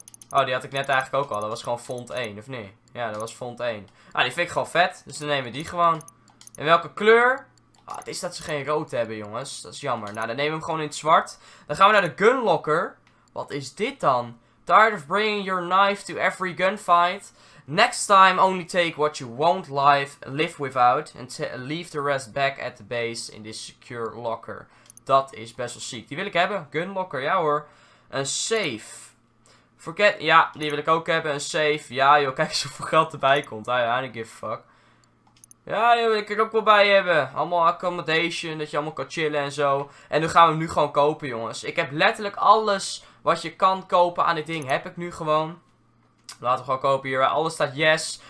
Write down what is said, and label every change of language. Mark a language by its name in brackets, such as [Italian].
[Dutch] Oh, die had ik net eigenlijk ook al. Dat was gewoon font 1, of nee? Ja, dat was font 1. Ah, die vind ik gewoon vet. Dus dan nemen we die gewoon. En welke kleur... Ah, het is dat ze geen rood hebben, jongens. Dat is jammer. Nou, dan nemen we hem gewoon in het zwart. Dan gaan we naar de gunlocker. Wat is dit dan? [English] Tired of bringing your knife to every gunfight. Next time, only take what you won't live without. And leave the rest back at the base in this secure locker. [Dutch] Dat is best wel ziek. Die wil ik hebben. Gunlocker, ja hoor. Een safe. Forget, ja, die wil ik ook hebben. Een safe. Ja, joh, kijk eens hoeveel geld erbij komt. [English] I don't give a fuck. [Dutch] Ja, joh, wil ik er ook wel bij hebben. Allemaal accommodation, dat je allemaal kan chillen en zo. En nu gaan we hem nu gewoon kopen, jongens. Ik heb letterlijk alles wat je kan kopen aan dit ding, heb ik nu gewoon. Laten we gewoon kopen hier. Alles staat yes.